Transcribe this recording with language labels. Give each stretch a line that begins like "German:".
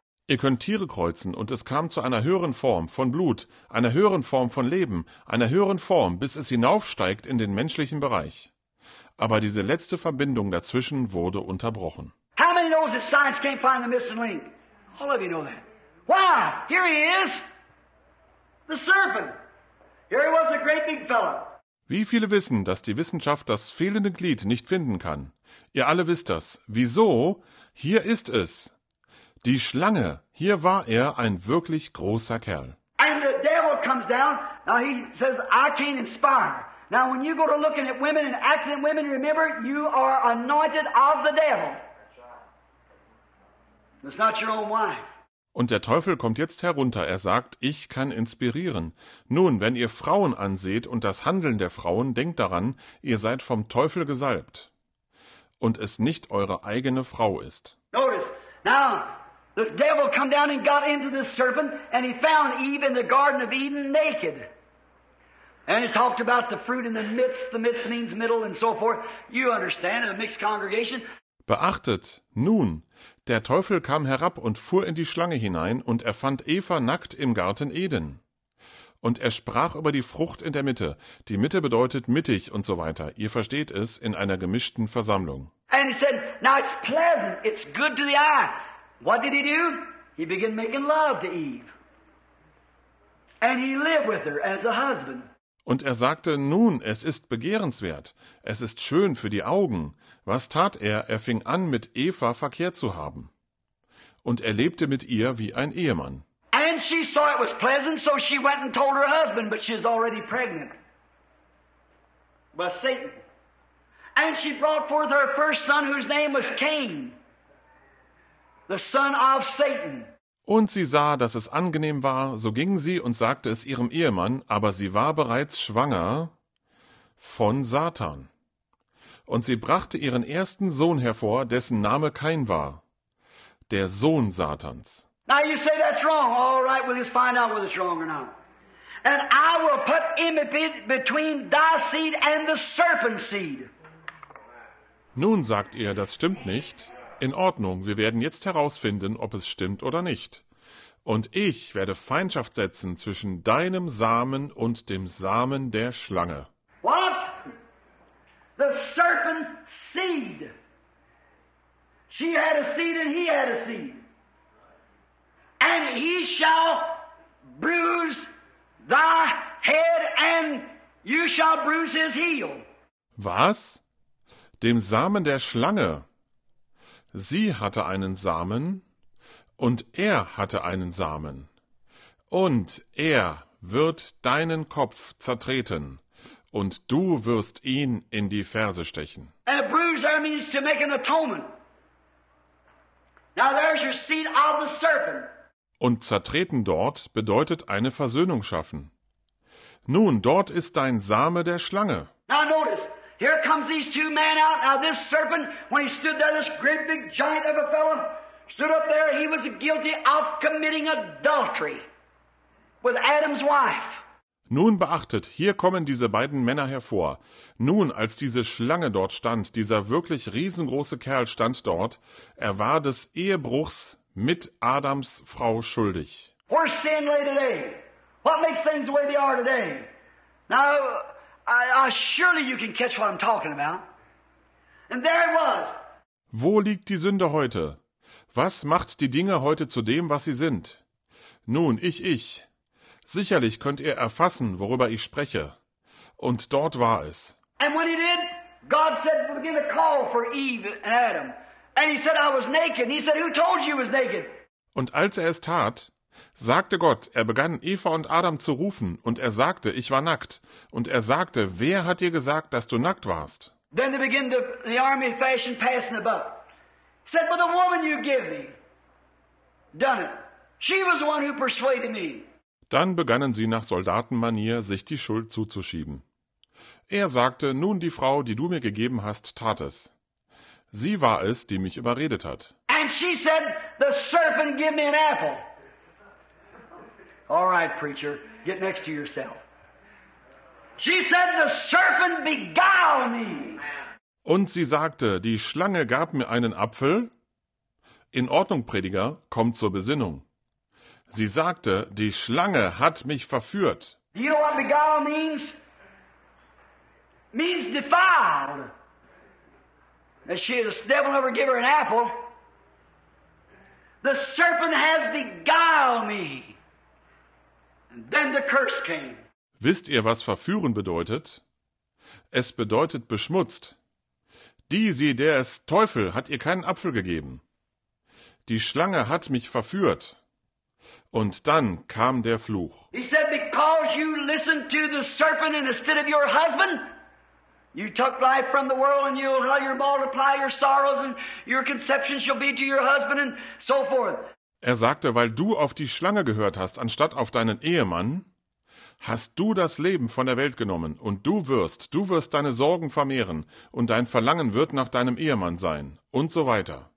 German: Ihr könnt Tiere kreuzen und es kam zu einer höheren Form von Blut, einer höheren Form von Leben, einer höheren Form, bis es hinaufsteigt in den menschlichen Bereich. Aber diese letzte Verbindung dazwischen wurde unterbrochen.
English: How many knows that science can't find the missing link? All of you know that. Why? Here he is. The serpent. Here he was, a great big fella.
German: Wie viele wissen, dass die Wissenschaft das fehlende Glied nicht finden kann? Ihr alle wisst das. Wieso? Hier ist es. Die Schlange, hier war er ein wirklich großer Kerl.
English: And the devil comes down. Now he says, I can't inspire. Now when you go to looking at women and acting at women, remember, you are anointed of the devil. It's not your own wife.
German: Und der Teufel kommt jetzt herunter. Er sagt, ich kann inspirieren. Nun, wenn ihr Frauen anseht und das Handeln der Frauen, denkt daran, ihr seid vom Teufel gesalbt. Und es nicht eure eigene Frau ist.
English: Notice, now, the devil come down and got into this serpent and he found Eve in the Garden of Eden naked. And he talked about the fruit in the midst. The midst means middle and so forth. You understand, a mixed congregation.
German: Beachtet, nun, der Teufel kam herab und fuhr in die Schlange hinein und er fand Eva nackt im Garten Eden. Und er sprach über die Frucht in der Mitte. Die Mitte bedeutet mittig und so weiter. Ihr versteht es, in einer gemischten Versammlung.
English: And he said, now it's pleasant, it's good to the eye. What did he do? He began making love to Eve. And he lived with her as a husband.
German: Und er sagte, nun, es ist begehrenswert. Es ist schön für die Augen. Was tat er? Er fing an, mit Eva Verkehr zu haben. Und er lebte mit ihr wie ein Ehemann.
English: And she saw it was pleasant, so she went and told her husband, but she was already pregnant. By Satan. And she brought forth her first son, whose name was Cain. The son of Satan.
German: Und sie sah, dass es angenehm war, so ging sie und sagte es ihrem Ehemann, aber sie war bereits schwanger von Satan. Und sie brachte ihren ersten Sohn hervor, dessen Name Kain war, der Sohn Satans.
English: Now you say that's wrong. All right, we'll just find out whether it's wrong or not. And I will put enmity between thy seed and the serpent's seed.
German: Nun sagt ihr, das stimmt nicht. In Ordnung, wir werden jetzt herausfinden, ob es stimmt oder nicht. Und ich werde Feindschaft setzen zwischen deinem Samen und dem Samen der Schlange.
English: What? The serpent's seed. She had a seed and he had a seed. And he shall bruise thy head and you shall bruise his heel.
German: Was? Dem Samen der Schlange? Sie hatte einen Samen und er hatte einen Samen. Und er wird deinen Kopf zertreten und du wirst ihn in die Ferse stechen.
English: And a bruiser means to make an atonement. Now there's your seed of the serpent.
German: Und zertreten dort bedeutet eine Versöhnung schaffen. Nun, dort ist dein Same der Schlange.
English: Now notice. Here comes these two men out. Now this serpent, when he stood there, this great big giant of a fellow, stood up there, he was guilty of committing adultery with Adam's wife.
German: Nun beachtet, hier kommen diese beiden Männer hervor. Nun, als diese Schlange dort stand, dieser wirklich riesengroße Kerl stand dort, er war des Ehebruchs mit Adams Frau schuldig.
English: Where sin lay today? What makes things the way they are today? Now, surely you can catch what I'm talking about. And there it was.
German: Wo liegt die Sünde heute? Was macht die Dinge heute zu dem, was sie sind? Nun, ich. Sicherlich könnt ihr erfassen, worüber ich spreche. Und dort war es.
English: And when he did, God said, we're going to call for Eve and Adam. And he said, I was naked. He said, who told you I was naked?
German: Und als er es tat, sagte Gott, er begann Eva und Adam zu rufen, und er sagte, ich war nackt. Und er sagte, wer hat dir gesagt, dass du nackt warst?
English: Then they begin the army fashion passing about. He said, but the woman you give me, done it. She was the one who persuaded me.
German: Dann begannen sie nach Soldatenmanier, sich die Schuld zuzuschieben. Er sagte, nun die Frau, die du mir gegeben hast, tat es. Sie war es, die mich überredet hat.
English: And she said, the serpent give me an apple. All right, preacher, get next to yourself. She said, the serpent beguiled me.
German: Und sie sagte, die Schlange gab mir einen Apfel. In Ordnung, Prediger, komm zur Besinnung. Sie sagte, die Schlange hat mich verführt.
English: Do you know what beguile means? Means defiled. And she is, the devil never give her an apple. The serpent has beguiled me. And then the curse came.
German: Wisst ihr, was verführen bedeutet? Es bedeutet beschmutzt. Der ist Teufel, hat ihr keinen Apfel gegeben. Die Schlange hat mich verführt. Und dann kam der Fluch.
English: He said, because you listened to the serpent instead of your husband, you took life from the world and you'll have your multiply your sorrows and your conception shall be to your husband and so forth.
German: Er sagte, weil du auf die Schlange gehört hast, anstatt auf deinen Ehemann, hast du das Leben von der Welt genommen und du wirst deine Sorgen vermehren und dein Verlangen wird nach deinem Ehemann sein und so weiter.